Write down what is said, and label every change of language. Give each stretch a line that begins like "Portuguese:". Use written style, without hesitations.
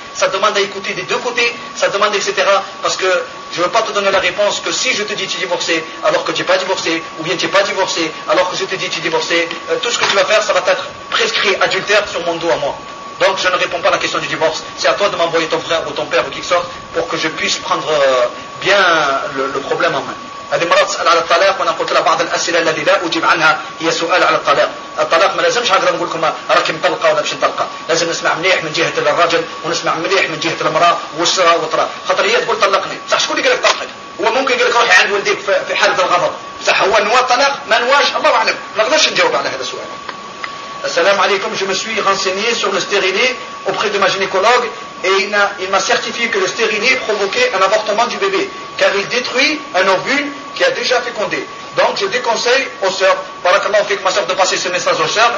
French: Ça demande à écouter des deux côtés, ça demande etc. Parce que je ne veux pas te donner la réponse que si je te dis tu es divorcé alors que tu n'es pas divorcé, ou bien tu n'es pas divorcé alors que je te dis tu es divorcé, tout ce que tu vas faire, ça va être prescrit adultère sur mon dos à moi. Donc je ne réponds pas à la question du divorce. C'est à toi de m'envoyer ton frère ou ton père ou qui que ce soit pour que je puisse prendre bien le problème en main.
Arabic: هذه مرات تسأل على الطلاق وانا قلت لها بعض الأسئلة التي لا أجيب عنها هي سؤال على الطلاق الطلاق ما لازمش هكذا نقول لكم راكي مطلقة ولا مش مطلقة لازم نسمع مليح من جهة الرجل ونسمع مليح من جهة المرأة وسرى وطرى خاطر هي تقول طلقني بصح شكون اللي قال لك طلقك هو ممكن يقول لك روحي عند والديك في حالة الغضب بصح هو نوا طلاق ما نواش الله أعلم ما نقدرش نجاوب على هذا السؤال.
French: Assalamu alaikum, je me suis renseigné sur le stérilet auprès de ma gynécologue et il m'a certifié que le stérilet provoquait un avortement du bébé car il détruit un ovule qui a déjà fécondé. Donc je déconseille aux sœurs, barakallahu fik, ma sœur, de passer ce message aux sœurs.